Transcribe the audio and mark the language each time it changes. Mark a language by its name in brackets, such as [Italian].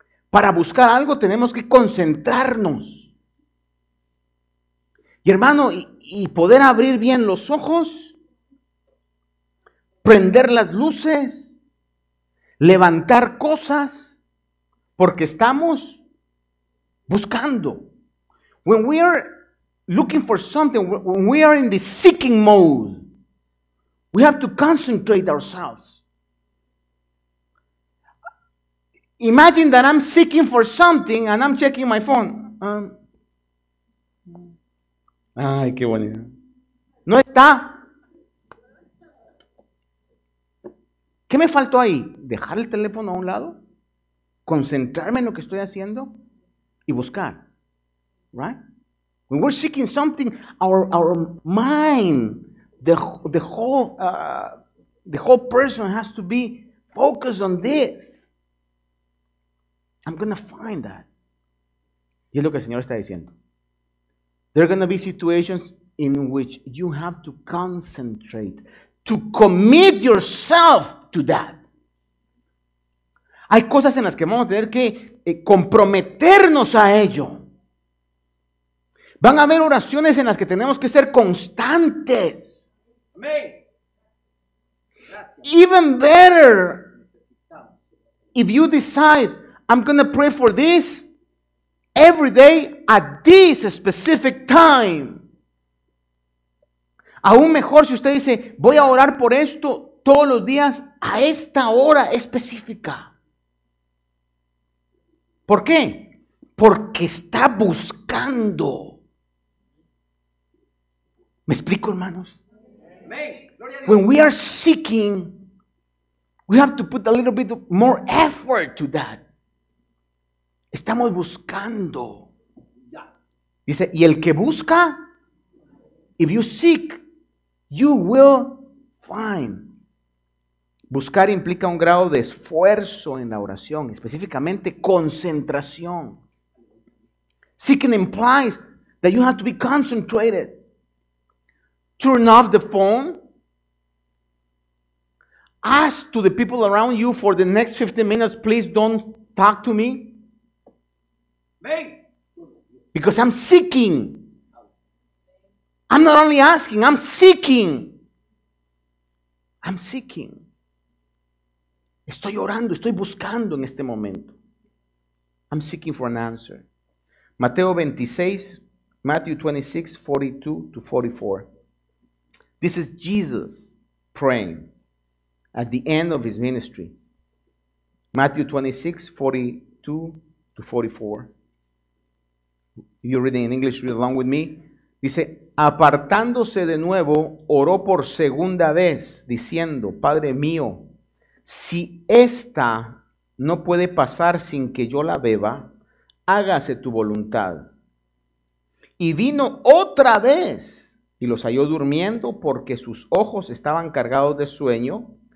[Spanish] Para buscar algo tenemos que concentrarnos. Y hermano, y poder abrir bien los ojos, prender las luces, levantar cosas, porque estamos buscando. [English] When we are looking for something, when we are in the seeking mode, we have to concentrate ourselves. Imagine that I'm seeking for something and I'm checking my phone. [Spanish] Ay, qué bonito. No está. ¿Qué me faltó ahí? ¿Dejar el teléfono a un lado? ¿Concentrarme en lo que estoy haciendo? Y buscar. Right? [English] When we're seeking something, our mind, the whole person has to be focused on this. I'm going to find that. [Spanish] Y es lo que el Señor está diciendo. [English] There are going to be situations in which you have to concentrate, to commit yourself to that. [Spanish] Hay cosas en las que vamos a tener que comprometernos a ello. Van a haber oraciones en las que tenemos que ser constantes. Amén. Gracias. [English] Even better, if you decide, I'm going to pray for this every day at this specific time. [Spanish] Aún mejor si usted dice, voy a orar por esto todos los días a esta hora específica. ¿Por qué? Porque está buscando. ¿Me explico, hermanos? [English] When we are seeking, we have to put a little bit more effort to that. [Spanish] Estamos buscando. Dice, y el que busca, [English] if you seek, you will find. [Spanish] Buscar implica un grado de esfuerzo en la oración, específicamente concentración. [English] Seeking implies that you have to be concentrated. Turn off the phone. Ask to the people around you for the next 15 minutes, please don't talk to me. Because I'm seeking. I'm not only asking, I'm seeking. I'm seeking. [Spanish] Estoy orando, estoy buscando en este momento. [English] I'm seeking for an answer. Mateo 26, Matthew 26, 42 to 44. This is Jesus praying at the end of his ministry. Matthew 26, 42 to 44. If you're reading in English, read along with me. [Spanish] Dice, apartándose de nuevo, oró por segunda vez, diciendo, Padre mío, si esta no puede pasar sin que yo la beba, hágase tu voluntad. Y vino otra vez. Y los halló durmiendo porque sus ojos estaban cargados de sueño.